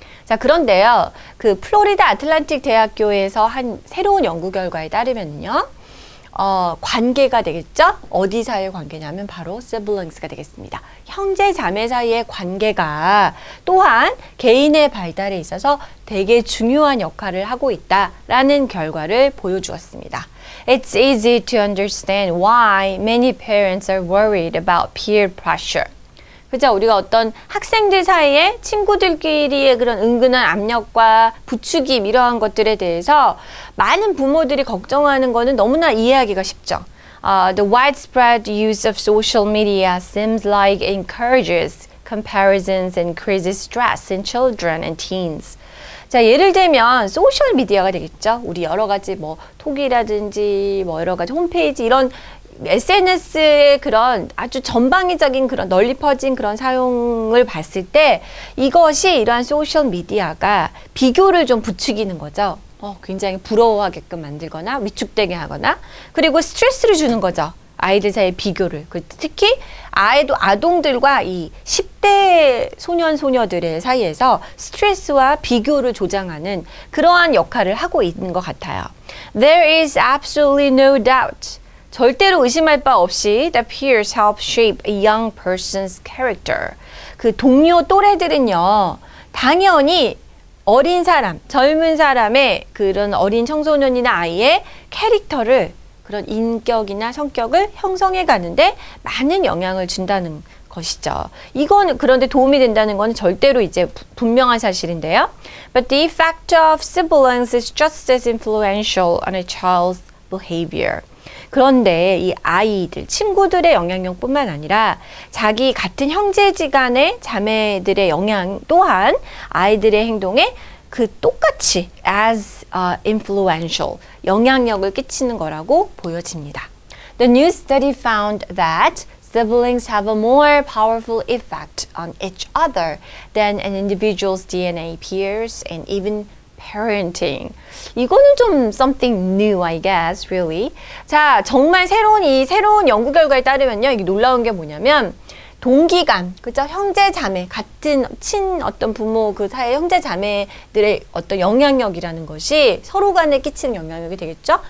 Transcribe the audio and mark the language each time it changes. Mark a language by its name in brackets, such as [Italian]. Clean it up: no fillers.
[Korean] 자, 그런데요, 그 플로리다 아틀란틱 대학교에서 한 새로운 연구 결과에 따르면요, 관계가 되겠죠? 어디 사이의 관계냐면 바로 siblings가 되겠습니다. 형제 자매 사이의 관계가 또한 개인의 발달에 있어서 되게 중요한 역할을 하고 있다라는 결과를 보여주었습니다. [English] It's easy to understand why many parents are worried about peer pressure. [Korean] 그죠? 우리가 어떤 학생들 사이에 친구들끼리의 그런 은근한 압력과 부추김 이러한 것들에 대해서 많은 부모들이 걱정하는 거는 너무나 이해하기가 쉽죠. [English] The widespread use of social media seems like encourages comparisons and creates stress in children and teens. [Korean] 자, 예를 들면 소셜미디어가 되겠죠? 우리 여러 가지 뭐 톡이라든지 뭐 여러 가지 홈페이지 이런 SNS의 그런 아주 전방위적인 그런 널리 퍼진 그런 사용을 봤을 때 이것이 이러한 소셜미디어가 비교를 좀 부추기는 거죠. 굉장히 부러워하게끔 만들거나 위축되게 하거나 그리고 스트레스를 주는 거죠. 아이들 사이의 비교를. 특히 아동들과 이 10대 소년, 소녀들의 사이에서 스트레스와 비교를 조장하는 그러한 역할을 하고 있는 것 같아요. [English] There is absolutely no doubt. [Korean] 절대로 의심할 바 없이 [English] the peers help shape a young person's character. [Korean] 그 동료 또래들은요, 당연히 어린 사람, 젊은 사람의 그런 어린 청소년이나 아이의 캐릭터를 그런 인격이나 성격을 형성해 가는데 많은 영향을 준다는 것이죠. 이건 그런데 도움이 된다는 건 절대로 이제 분명한 사실인데요. [English] But the effect of siblings is just as influential on a child's behavior. [Korean] 그런데 이 아이들, 친구들의 영향력뿐만 아니라 자기 같은 형제지간의 자매들의 영향 또한 아이들의 행동에 그 똑같이 [English] as influential, [Korean] 영향력을 끼치는 거라고 보여집니다. [English] The new study found that siblings have a more powerful effect on each other than an individual's DNA peers and even parenting. [Korean] 이거는 좀 [English] something new, I guess, really. [Korean] 자, 정말 새로운 연구 결과에 따르면요. 이게 놀라운 게 뭐냐면 동기감, 그죠? 형제 자매, 같은 친 어떤 부모 그 사이 형제 자매들의 어떤 영향력이라는 것이 서로 간에 끼치는 영향력이 되겠죠?